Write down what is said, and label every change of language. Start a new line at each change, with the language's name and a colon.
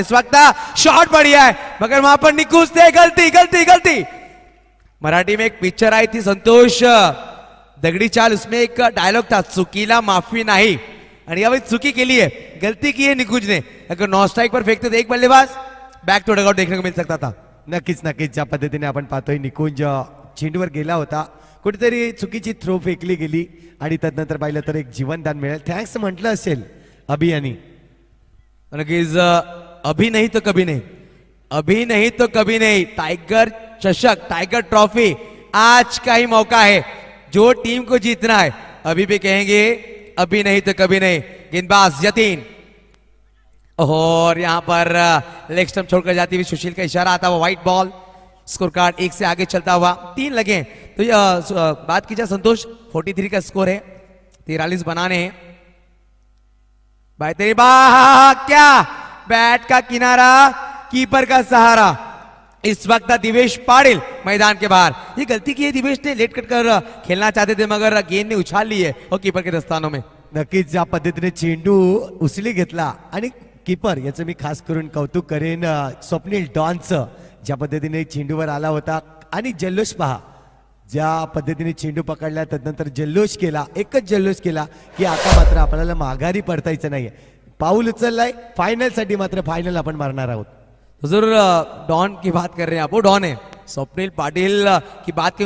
Hindi: इस वक्त शॉट बढ़िया है मगर वहां पर निकुचते गलती गलती गलती. मराठी में एक पिक्चर आई थी संतोष दगड़ी चाल, उसमें एक डायलॉग था चुकीला माफी नहीं. अरे अभी चुकी के लिए गलती की है निकुच ने. अगर नौ स्ट्राइक पर फेंकते तो एक बल्लेबाज बॅक टू डगआउट देखने को मिल सकता था.
Marathi: नक्कीच नक्कीच ज्या पद्धतीने आपण पाहतोय निकुंज चेंडूवर गेला होता, कुठेतरी चुकीची थ्रो फेकली गेली आणि त्यानंतर पाहिलं तर एक जीवनदान मिळेल. थँक्स म्हटलं असेल अभी यांनी. नक्कीच अभी नाही तो कभी नाही, अभी नाही तो कभी नाही. टायगर चषक टायगर ट्रॉफी आज काही मौका आहे
Hindi: जो टीम को जीतना है. अभी भी कहेंगे अभी नहीं तो कभी नहीं. गेंदबाज यतीन और यहां पर लेग स्टंप छोड़कर जाती हुई सुशील का इशारा आता हुआ व्हाइट बॉल. स्कोर कार्ड एक से आगे चलता हुआ 3 लगे हैं. तो ये बात की जाए संतोष 43 का स्कोर है, 43 बनाने हैं. भाई तेरी बात क्या बैट का किनारा कीपर का सहारा. इस वक्त दिवेश पाटिल मैदान के बाहर. ये गलती की है दिवेश ने, लेट कट कर खेलना चाहते थे मगर गेंद ने उछाल ली है और कीपर के दस्तानों में.
Marathi: नक्कीच ज्या पद्धतीने चेंडू उचली घेतला आणि कीपर याचं मी खास करून कौतुक करेन स्वप्नील डॉनच ज्या पद्धतीने चेंडूवर आला होता. आणि जल्लोष पहा ज्या पद्धतीने चेंडू पकडला त्यानंतर जल्लोष केला, एकच जल्लोष केला की आता मात्र आपल्याला माघारी पडतायचं नाहीये. पाऊल उचललाय फायनलसाठी, मात्र फायनल आपण मारणार आहोत.
Hindi: जरूर डॉन की बात कर रहे हैं, वो डॉन है स्वप्नील पाटील की बात करें.